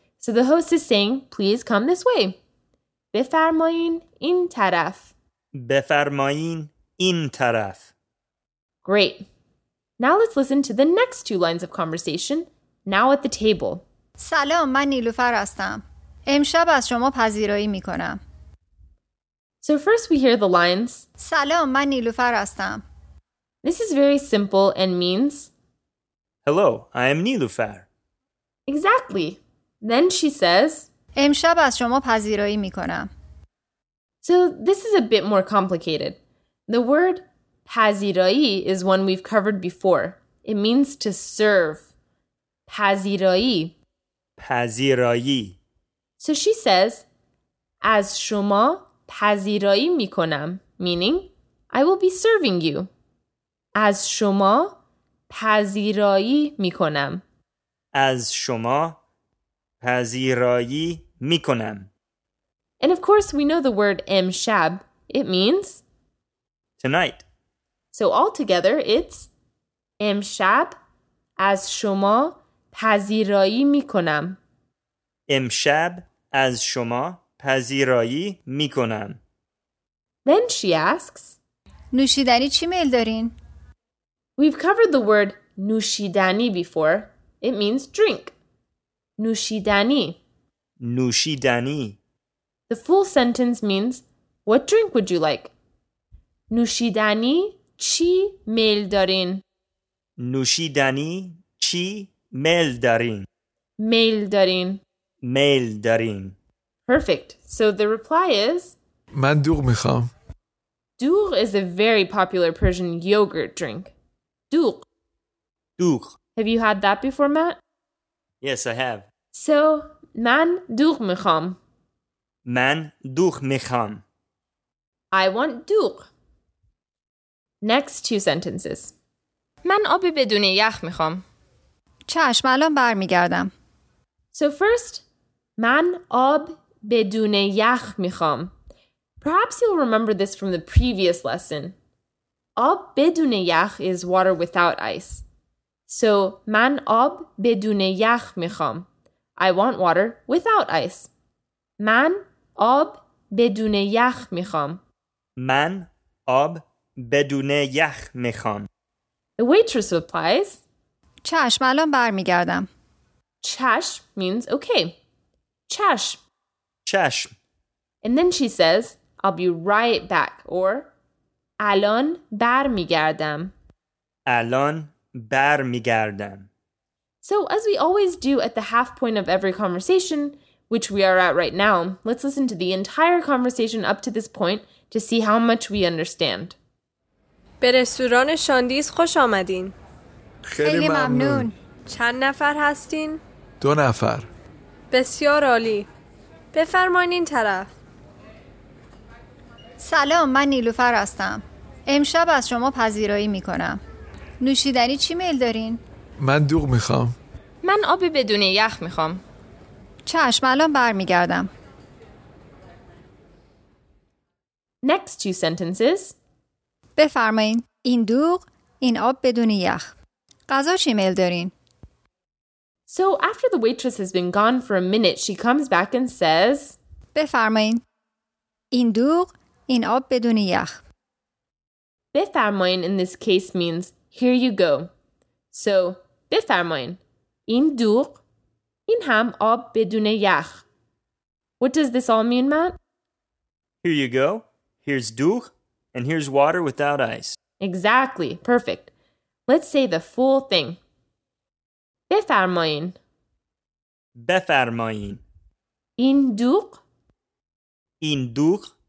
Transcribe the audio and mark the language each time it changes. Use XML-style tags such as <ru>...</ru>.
<en>So the host is saying, please come this way.</en> <fa>بفرمایین این طرف. بفرمایین این طرف.</fa> <en>Great. Now let's listen to the next two lines of conversation, now at the table.</en> <fa>سلام، من نیلوفر هستم. امشب از شما پذیرایی میکنم.</fa> <en>So first we hear the lines.</en> <fa>سلام، من نیلوفر هستم.</fa> <en>This is very simple and means... Hello, I am نیلوفر. Exactly. Then she says...</en> <fa>امشب از شما پذیرایی میکنم.</fa> <en>So this is a bit more complicated. The word پذیرایی is one we've covered before. It means to serve. پذیرایی.</en> <fa>پذیرایی.</fa> <en>So she says,</en> <fa>از شما پذیرایی میکنم.</fa> <en>Meaning, I will be serving you.</en> <fa>از شما پذیرایی میکنم. از شما پذیرایی میکنم.</fa> <en>And of course, we know the word امشب. It means... tonight. So altogether, it's...</en> <fa>امشب از شما پذیرایی میکنم. امشب از شما پذیرایی میکنم.</fa> <en>Then she asks,</en> <fa>نوشیدنی چی میل دارین؟</fa> <en>We've covered the word نوشیدنی before. It means drink. نوشیدنی.</en> <fa>نوشیدنی.</fa> <en>The full sentence means, what drink would you like?</en> <fa>نوشیدنی چی میل دارین؟ نوشیدنی چی میل دارین؟ میل دارین. میل دارین.</fa> <en>Perfect. So the reply is...</en> <fa>من دوغ میخوام.</fa> <en>دوغ is a very popular Persian yogurt drink.</en> <fa>دوغ. دوغ.</fa> <en>Have you had that before, Matt? Yes, I have.</en> <fa>So, من دوغ میخوام. من دوغ میخوام.</fa> <en>I want دوغ. Next two sentences.</en> <fa>من آب بدون یخ میخوام. چشم الان برمیگردم. So first... من آب بدون یخ میخوام.</fa> <en>Perhaps you'll remember this from the previous lesson. آب بدون یخ is water without ice.</en> <fa>So, من آب بدون یخ میخوام.</fa> <en>I want water without ice.</en> <fa>من آب بدون یخ میخوام. من آب بدون یخ میخوام.</fa> <en>The waitress replies,</en> <fa>چشم الان برمیگردم.</fa> <en>چشم means okay.</en> <fa>چشم. چشم.</fa> <en>And then she says, I'll be right back, or</en> <fa>الان بر میگردم. الان بر میگردم.</fa> <en>So as we always do at the half point of every conversation, which we are at right now, let's listen to the entire conversation up to this point to see how much we understand.</en> <fa>به رستوران شاندیز خوش آمدین. خیلی ممنون. چند نفر هستین؟ دو نفر. بسیار عالی. بفرمایین این طرف. سلام، من نیلوفر هستم. امشب از شما پذیرایی میکنم. نوشیدنی چی میل دارین؟ من دوغ میخوام. من آب بدون یخ میخوام. چشم، الان برمیگردم.</fa> <en>Next two sentences.</en> <fa>بفرمایین این دوغ، این آب بدون یخ. غذا چی میل دارین؟</fa> <en>So after the waitress has been gone for a minute, she comes back and says,</en> <fa>بفرمایین. این دوغ، این آب بدون یخ. بفرمایین in this case means, here you go. So, بفرمایین. این دوغ، این هم آب بدون یخ.</fa> <en>What does this all mean, Matt? Here you go. Here's duch, and here's water without ice. Exactly. Perfect. Let's say the full thing.</en> <fa>Befarmayin. Befarmayin. In duch. In duch.</fa>